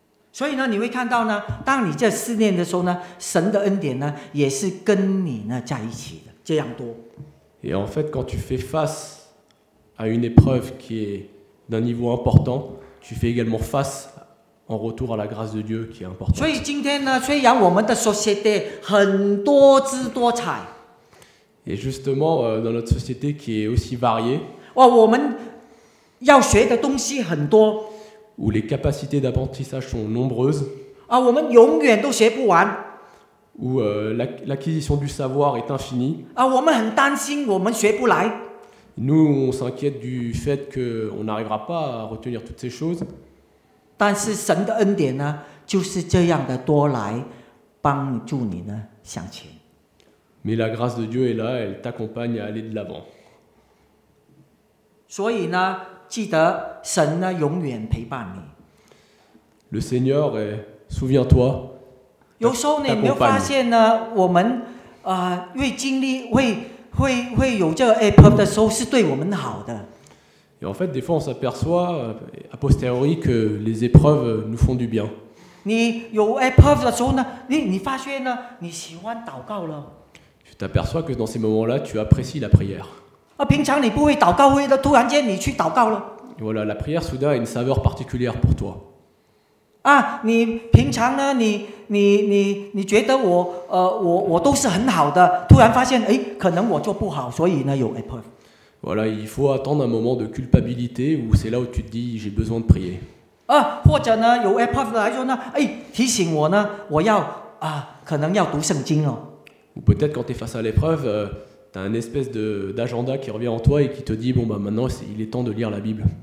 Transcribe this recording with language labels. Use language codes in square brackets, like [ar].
[zh] 所以呢，你会看到呢，当你在试炼的时候呢，神的恩典呢，也是跟你呢在一起的，这样多。 [fr] Et en fait, quand tu fais face à une épreuve qui est d'un niveau important, tu fais également face en retour à la grâce de Dieu qui est importante. [zh] 所以今天呢，虽然我们的 société 很多姿多彩， [fr] et justement dans notre société qui est aussi variée, [zh] 哇，我们要学的东西很多， [fr] où les capacités d'apprentissage sont nombreuses, [zh] 啊，我们永远都学不完， [fr] où l'acquisition du savoir est infinie, [zh] 啊，我们很担心我们学不来， [fr] nous on s'inquiète du fait que on n'arrivera pas à retenir toutes ces choses. [zh] 但是神的恩典呢，就是这样的多来帮助你呢向前。 [fr] Mais la grâce de Dieu est là, elle t'accompagne à aller de l'avant. [zh] 所以呢，记得神呢永远陪伴你。 [fr] Le Seigneur est, souviens-toi. [zh] 有时候你没有发现呢，我们会经历会有这个 épreuve 的时候，是对我们好的。 [fr] Et en fait, des fois, on s'aperçoit, a posteriori, que les épreuves nous font du bien. Tu t'aperçois que dans ces moments-là, tu apprécies la prière. Voilà, la prière, soudain, a une saveur particulière pour toi. [zh] Ah, 你平常呢？你觉得我都是很好的，突然发现，哎，可能我做不好，所以呢，有 épreuve。 [fr] Voilà, il faut attendre un moment de culpabilité où c'est là où tu te dis j'ai besoin de prier. Ah, ou bien, il y a une épreuve qui dit, hey, [zh] 提醒我呢，我要啊，可能要读圣经哦。 [fr] Ou peut-être quand tu es face à l'épreuve, tu as une espèce d'agenda qui revient en toi et qui te dit, bon, bah, maintenant, il est temps de lire la Bible.